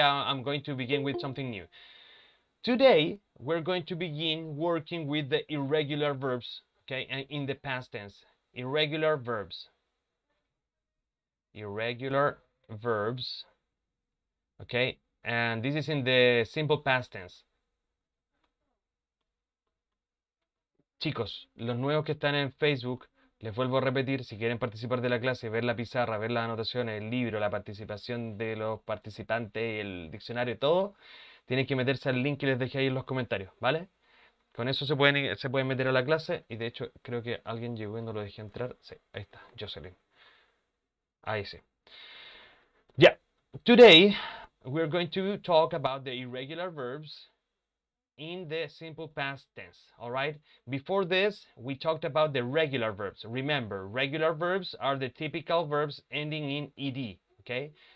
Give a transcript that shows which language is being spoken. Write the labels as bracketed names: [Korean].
[English] I'm going to begin with something new. Today, we're going to begin working with the irregular verbs, okay, and in the past tense. Irregular verbs. Irregular verbs, okay? And this is in the simple past tense. [Spanish] Chicos, los nuevos que están en Facebook, les vuelvo a repetir, si quieren participar de la clase, ver la pizarra, ver las anotaciones, el libro, la participación de los participantes, el diccionario, todo, tienen que meterse al link que les dejé ahí en los comentarios, ¿vale? Con eso se pueden meter a la clase, y de hecho, creo que alguien llegó y no lo dejé entrar. Sí, ahí está, Jocelyn. Ahí sí. [English] Yeah, today we're going to talk about the irregular verbs in the simple past tense, all right? Before this, we talked about the regular verbs. Remember, regular verbs are the typical verbs ending in ed, okay?